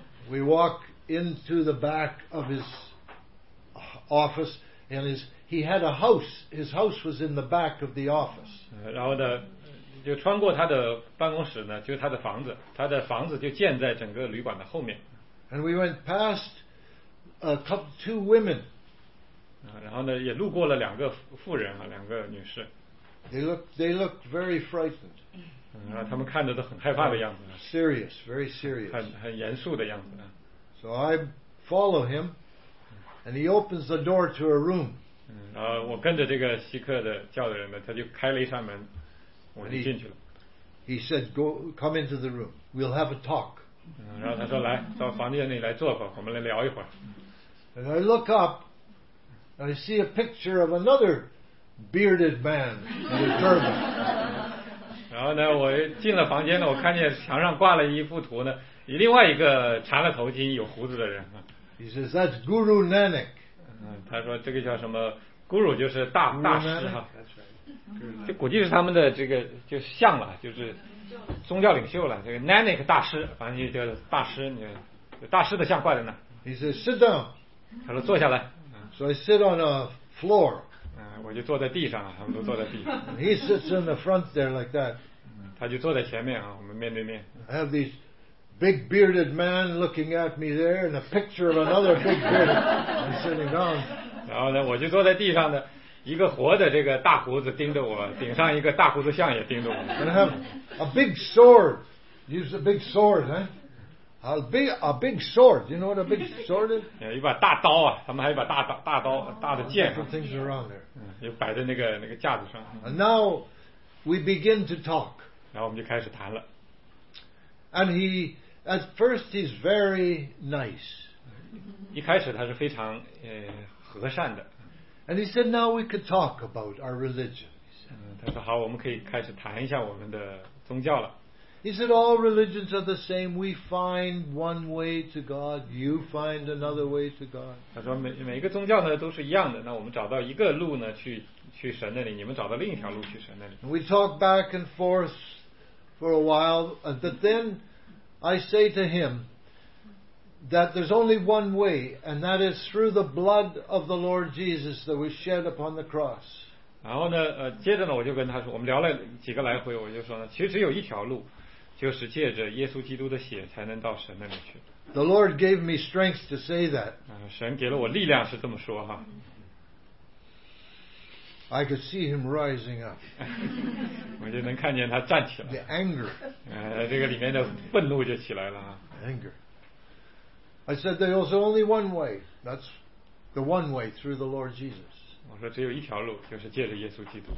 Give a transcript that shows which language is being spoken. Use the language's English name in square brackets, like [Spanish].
[English] We walk into the back of his office, and he had a house. His house was in the back of the office. [Chinese] 然后呢，就穿过他的办公室呢，就是他的房子。他的房子就建在整个旅馆的后面。 [English] And we went past. Two women. [Chinese] 然后呢，也路过了两个妇人啊，两个女士。 [English] They looked very frightened. [Chinese] 他们看着都很害怕的样子。 [English] Serious, very serious. [Chinese] 很严肃的样子。 [English] So I follow him, and he opens the door to a room. [Chinese] 我跟着这个锡克的教的人呢，他就开了一扇门，我就进去了。 [English] He said, "Go, come into the room. We'll have a talk." [Chinese] 然后他说来到房间里来坐会儿，我们来聊一会儿。 [English] And I look up, and I see a picture of another bearded man with a turban. [Chinese] 然后呢，我进了房间呢，我看见墙上挂了一幅图呢，另外一个缠了头巾、有胡子的人。 [English] He says, "That's Guru Nanak." [Chinese] 他说这个叫什么 ？Guru 就是大师哈。 [English] That's right. [Chinese] 这估计是他们的这个就是像了，就是宗教领袖了。这个 Nanak 大师，反正就叫大师，就大师的像挂在那。 [English] He says, "Sit down." [Chinese] 他说坐下来。 [English] So I sit on a floor. [Chinese] 我就坐在地上，他们都坐在地上。 [English] He sits in the front there like that. [Chinese] 他就坐在前面啊，我们面对面。 [English] I have these big bearded man looking at me there, and a picture of another big bearded man sitting down. [Chinese] 然后呢，我就坐在地上的。一个活的这个大胡子盯着我，顶上一个大胡子像也盯着我。 [English] And I have a big sword. Use a big sword, huh? A big sword. You know what a big sword is? [Chinese] 一把大刀啊，他们还有一把大刀，大的剑。 [English] Different things around there. [Chinese] 又摆在那个架子上。 [English] And now we begin to talk. [Chinese] 然后我们就开始谈了。 [English] And he, at first, he's very nice. [Chinese] 一开始他是非常和善的。 [English] And he said, "Now we could talk about our religion." He said, [Chinese] 他说好，我们可以开始谈一下我们的宗教了。 [English] He said, "All religions are the same. We find one way to God. You find another way to God." [Chinese] 他说每个宗教呢都是一样的。那我们找到一个路呢去神那里，你们找到另一条路去神那里。 [English] And we talk back and forth for a while, but then I say to him. That there's only one way, and that is through the blood of the Lord Jesus that was shed upon the cross. [Chinese] 然后呢，接着呢，我就跟他说，我们聊了几个来回，我就说呢，其实只有一条路，就是借着耶稣基督的血才能到神那里去。 [English] The Lord gave me strength to say that. [Chinese] 神给了我力量是这么说哈。 [English] I could see him rising up. [Chinese] 我就能看见他站起来。 [English] The anger. [Chinese] 这个里面的愤怒就起来了 [English] 哈。Anger. I said there's only one way. That's the one way through the Lord Jesus. [Chinese] 我说只有一条路，就是借着耶稣基督。